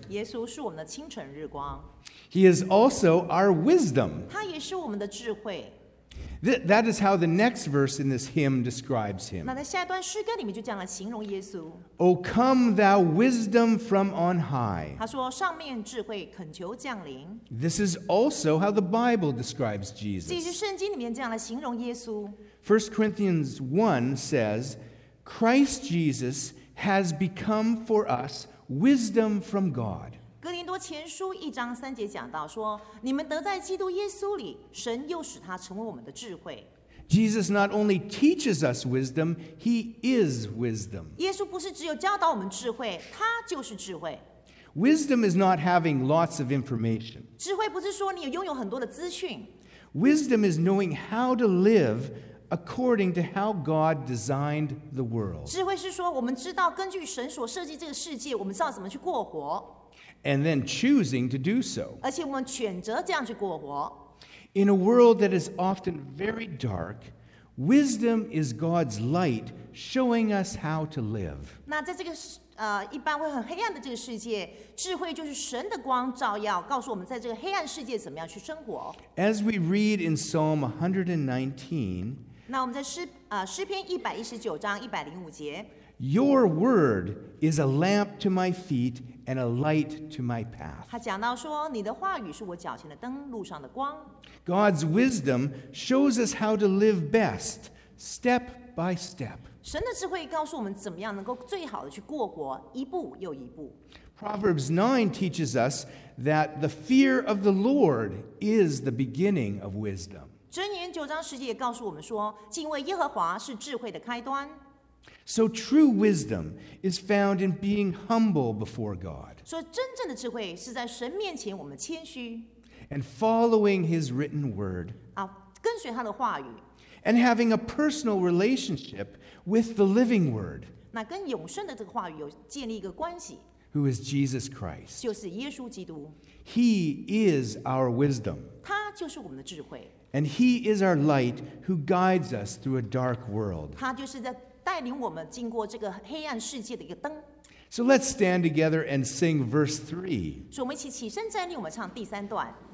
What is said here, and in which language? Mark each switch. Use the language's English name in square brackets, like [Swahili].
[Chinese] 耶稣是我们的清晨日光。 [English] He is also our wisdom. [Chinese] 他也是我们的智慧。 [English] That is how the next verse in this hymn describes him. [Chinese] 那在下一段诗歌里面就这样来形容耶稣。 [English] O come thou wisdom from on high. [Chinese] 他说上面智慧恳求降临。 [English] This is also how the Bible describes Jesus. [Chinese] 这也是圣经里面这样来形容耶稣。 [English] 1 Corinthians 1 says, Christ Jesus has become for us wisdom from God. [Chinese] 哥林多前书一章三节讲到说，你们得在基督耶稣里，神又使他成为我们的智慧。 [English] Jesus not only teaches us wisdom, he is wisdom. [Chinese] 耶稣不是只有教导我们智慧，他就是智慧。 [English] Wisdom is not having lots of information. [Chinese] 智慧不是说你拥有很多的资讯。 [English] Wisdom is knowing how to live according to how God designed the world. [Chinese] 智慧是说我们知道根据神所设计这个世界，我们知道怎么去过活。 [English] And then choosing to do so. [Chinese] 而且我们选择这样去过活。 [English] In a world that is often very dark, wisdom is God's light showing us how to live. [Chinese] 那在这个一般会很黑暗的这个世界，智慧就是神的光照耀，告诉我们在这个黑暗世界怎么样去生活。 [English] As we read in Psalm 119, [Chinese] 那我们在诗篇119章105节。 [English] Your word is a lamp to my feet and a light to my path. [Chinese] 他讲到说，你的话语是我脚前的灯，路上的光。 [English] God's wisdom shows us how to live best, step by step. [Chinese] 神的智慧告诉我们怎么样能够最好的去过活，一步又一步。 [English] Proverbs 9 teaches us that the fear of the Lord is the beginning of wisdom. [Chinese] 箴言九章十节也告诉我们说，敬畏耶和华是智慧的开端。 [English] So true wisdom is found in being humble before God. [Chinese] 所以真正的智慧是在神面前我们谦虚。 [English] And following His written word. [Chinese] 跟随他的话语。 [English] And having a personal relationship with the living word. [Chinese] 那跟永生的这个话语有建立一个关系。 [English] Who is Jesus Christ. [Chinese] 就是耶稣基督。 [English] He is our wisdom. [Chinese] 他就是我们的智慧。 [English] And He is our light who guides us through a dark world. [Chinese] 他就是在带领我们经过这个黑暗世界的一个灯。 [English] So let's stand together and sing verse 3. [Chinese] 所以我们一起起身站立，我们唱第三段。